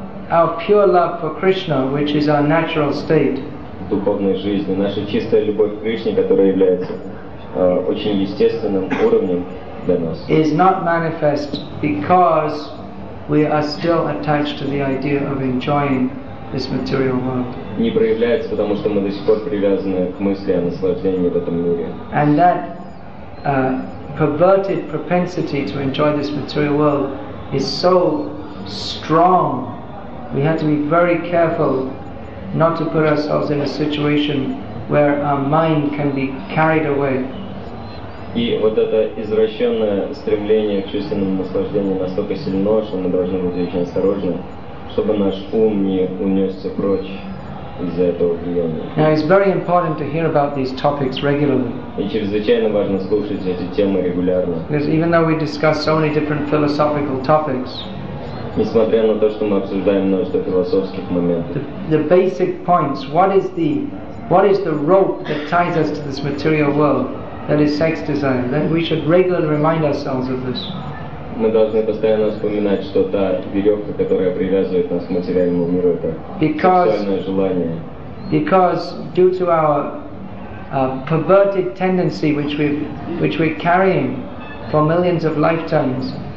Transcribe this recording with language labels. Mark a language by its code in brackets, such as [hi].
[en] Our pure love for Krishna, which is our natural state. [ru] Духовной жизни, наша чистая любовь к Кришне, которая является очень естественным уровнем для нас. [en] Is not manifest because we are still attached to the idea of enjoying this material world. [ru] Не проявляется, потому что мы до сих пор привязаны к мысли о наслаждении в этом мире. [en] And that perverted propensity to enjoy this material world is so strong. We have to be very careful not to put ourselves in a situation where our mind can be carried away. [ru] И вот это извращенное стремление к чувственным наслаждениям настолько сильно, что мы должны быть очень осторожны, чтобы наш ум не унесся прочь из-за этого влияния. [en] Now it's very important to hear about these topics regularly. [ru] И чрезвычайно важно слушать эти темы регулярно. [en] Because even though we discuss so many different philosophical topics, [ru] несмотря на то, что мы обсуждаем множество философских моментов, [en] the basic points, what is the rope that ties us to this material world? That is sex desire. That we should regularly remind ourselves of this. [ru] Мы должны постоянно вспоминать, что та веревка, которая привязывает нас к материальному миру, это сексуальное желание. [en] Because due to our perverted tendency, which we're carrying for millions of lifetimes,